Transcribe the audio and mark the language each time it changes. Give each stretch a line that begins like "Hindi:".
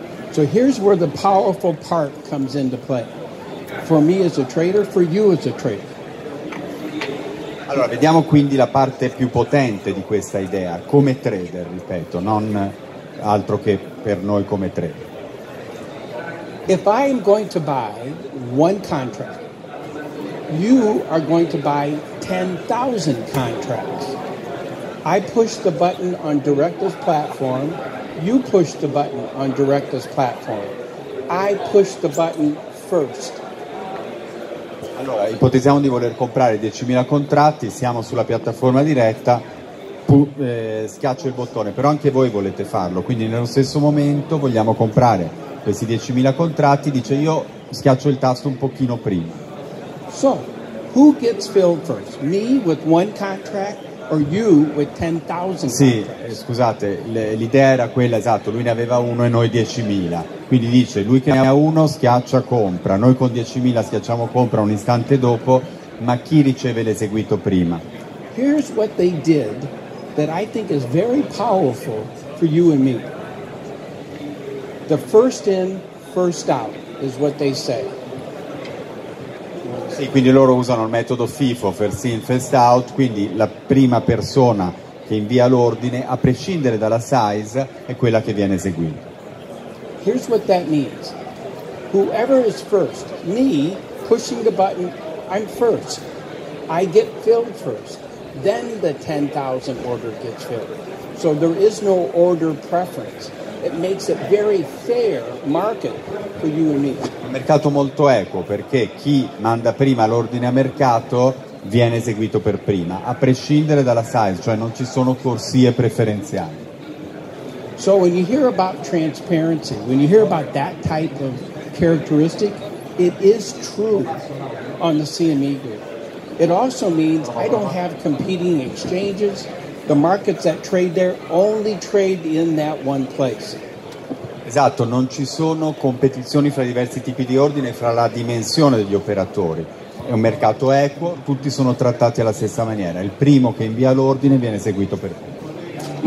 English: So here's where the powerful part comes into play. For me as a trader, for you as a trader.
Italian: Allora, vediamo quindi la parte più potente di questa idea, come trader, ripeto, non altro che per noi come trader.
English: If I'm going to buy one contract, you are going to buy 10,000 contracts. I push the button on Director's platform. You push the button on Director's platform. I push the button first.
Italian: Allora, ipotizziamo di voler comprare 10.000 contratti, siamo sulla piattaforma diretta, schiaccio il bottone, però anche voi volete farlo, quindi nello stesso momento vogliamo comprare questi 10.000 contratti, dice io schiaccio il tasto un pochino prima.
English: So, who gets filled first? Me with one contract? Or you with 10,000?
Italian: Sì, scusate, l'idea era quella, esatto, lui ne aveva uno e noi 10.000. Quindi dice, lui che ne ha uno schiaccia compra, noi con 10.000 schiacciamo compra un istante dopo, ma chi riceve l'eseguito prima?
English: Here's what they did that I think is very powerful for you and me. The first in, first out is what they say.
Italian: Sì, quindi loro usano il metodo FIFO,
English: first in, first out,
Italian: quindi la prima persona che invia l'ordine, a prescindere dalla size, è quella che viene eseguita.
English: Here's what that means. Whoever is first, me pushing the button, I'm first. I get filled first. Then the 10,000 order gets filled. So there is no order preference. It makes it very fair market for you and me.
Italian: Un mercato molto equo, perché chi manda prima l'ordine a mercato viene eseguito per prima, a prescindere dalla size, cioè non ci sono corsie preferenziali.
English: So when you hear about transparency, when you hear about that type of characteristic, it is true on the CME group. It also means I don't have competing exchanges. The markets that trade there only trade in that one place.
Italian: Esatto, non ci sono competizioni fra diversi tipi di ordine, fra la dimensione degli operatori. È un mercato equo, tutti sono trattati alla stessa maniera. Il primo che invia l'ordine viene seguito per tutti.